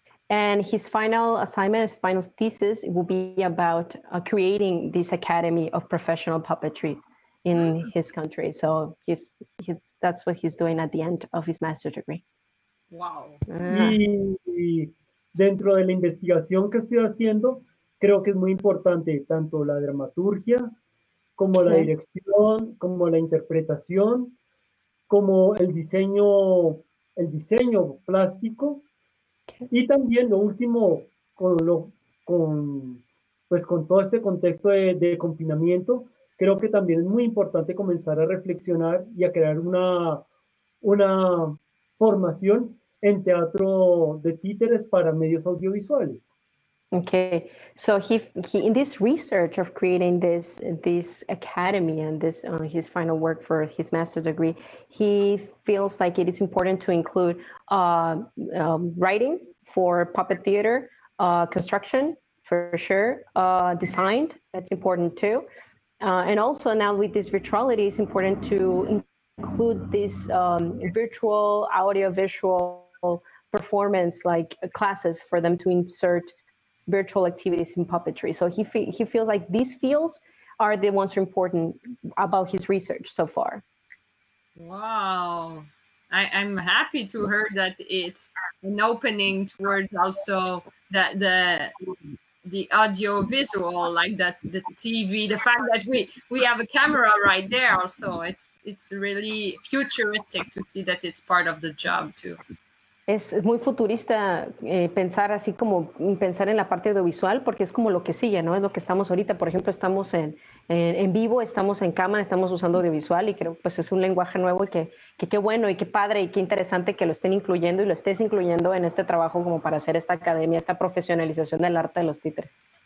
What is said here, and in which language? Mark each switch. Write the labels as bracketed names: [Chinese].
[English] And his final assignment, his final thesis will be about creating this academy of professional puppetry in his country. So he's that's what he's doing at the end of his master's degree. Wow. [Spanish] Y dentro de la investigación que estoy haciendo, creo que es muy importante tanto la dramaturgia como la dirección, como la interpretación, como el diseño plástico, y también lo último con todo este contexto de confinamiento, creo que también es muy importante comenzar a reflexionar y a crear una formación en teatro de títeres para medios audiovisuales. [English] Okay, so he in this research of creating this academy and this his final work for his master's degree, he feels like it is important to include writing for puppet theater, construction for sure, design, that's important too, and also now with this virtuality, it's important to include this virtual audiovisual performance like classes for them to insert virtual activities in puppetry. So he feels like these fields are the ones important about his research so far. Wow. I'm happy to hear that it's an opening towards also that the audiovisual, like that the TV, the fact that we have a camera right there also. It's really futuristic to see that it's part of the job too. [Spanish] Es muy futurista pensar así como pensar en la parte audiovisual, porque es como lo que sigue, ¿no? Es lo que estamos ahorita. Por ejemplo, estamos en vivo, estamos en cámara, estamos usando audiovisual y creo que pues, es un lenguaje nuevo y que qué bueno y qué padre y qué interesante que lo estén incluyendo y lo estés incluyendo en este trabajo como para hacer esta academia, esta profesionalización del arte de los títeres.